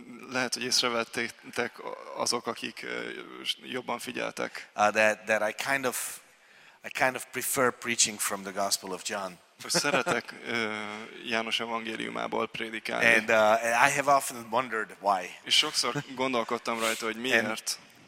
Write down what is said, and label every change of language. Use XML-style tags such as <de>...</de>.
<hu>Lehet, hogy észrevettétek azok, akik jobban figyeltek.</hu> <en>That I kind of prefer preaching from the Gospel of John.</en> <hu>Szeretek János evangéliumából prédikálni.</hu> <en>And I have often wondered why.</en> <hu>És sokszor gondolkodtam rajta, hogy miért.</hu>